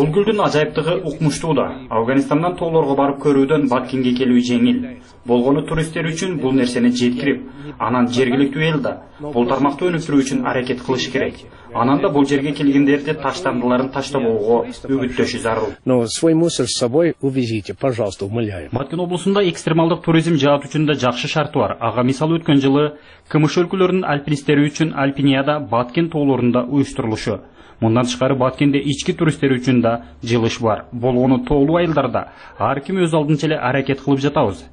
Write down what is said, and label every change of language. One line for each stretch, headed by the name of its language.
Kyrgyz: Бул гүлдүн ажайыптыгы укмуштуу да. Афганистандан тоолорго барып көрүүдөн Баткенге келүү жеңил. Болгону туристтер үчүн бул нерсени жеткирип, анан жергиликтүү эл да бул тармакты өнүктүрүү үчүн аракет кылыш керек. Анан да бул жерге келгендерди таштандыларын таштабоого үгүттөшү зарыл.
Russian: Но свой мусор с собой увезите, пожалуйста, умоляю.
Kyrgyz: Баткен облусунда экстремалдык туризм жаат үчүн да жакшы шарты бар. Ага мисал өткөн жылы КМШ өлкөлөрүнүн альпинисттери үчүн Альпиниада Баткен тоолорунда уюштурулушу. Мындан тышкары Баткенде ички туристтер үчүн да жылыш бар. Болгону тоолуу айылдарда ар ким өз алдынча эле аракет кылып жатабыз.